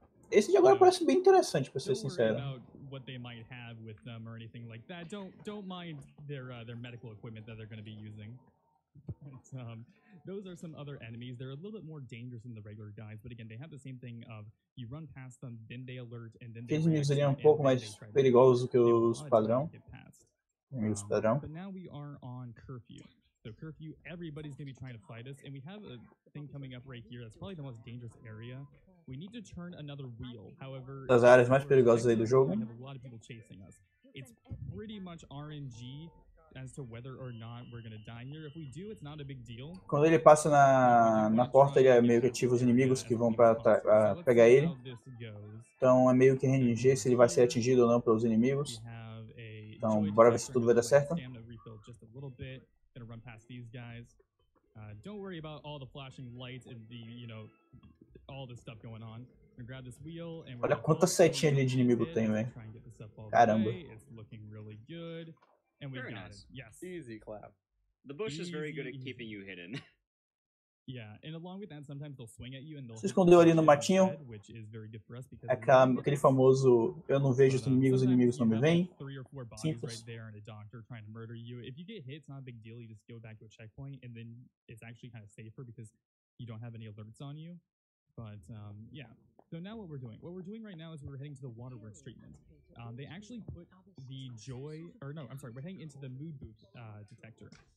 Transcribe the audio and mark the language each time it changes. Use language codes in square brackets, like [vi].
[pt] Esse de agora parece bem interessante, para ser sincero. [en] What they might have with them or anything like that. Don't mind their medical equipment that they're going to be using. Those are some other enemies. They're a little bit more dangerous than the regular guys, but again, they have the same thing of you run past them, then they alert, and then they react, [pt] um pouco mais perigoso que os padrão. [en] But now we are on curfew. So curfew, everybody's going to be trying to fight us, and we have a thing coming up right here that's probably the most dangerous area. We need to turn another wheel. However, [pt] das áreas mais perigosas aí do jogo. [en] We have a lot of people chasing us. It's pretty much RNG as to whether or not we're gonna die here. If we do, it's not a big deal. [pt] Quando ele passa na porta, ele é meio que ativa os inimigos que vão para pegar ele. Então é meio que RNG se ele vai ser atingido ou não pelos inimigos. Então bora ver se tudo vai dar certo. [en] Gonna run past these guys. Don't worry about all the flashing lights and the, you know, all the stuff going on. We're grab this wheel and [pt] olha quanta setinha ali de inimigo tem, velho. Caramba. [en] It's looking really good. And we got it. Yes. Easy clap. The bush is very good at keeping you hidden. Yeah, and along with that, sometimes they'll swing at you and they'll [pt] se escondeu ali no matinho. Aquele famoso eu não vejo os inimigos, os inimigos não me vêm. Simples. [en] If you get hit, it's not a big deal. You just go back to a checkpoint and then it's actually kind of safer because you don't have any alerts on you. But yeah. So now what we're doing right now is we're heading to the waterworks treatment. They actually put the joy or no, I'm sorry, we're heading into the mood boost detector.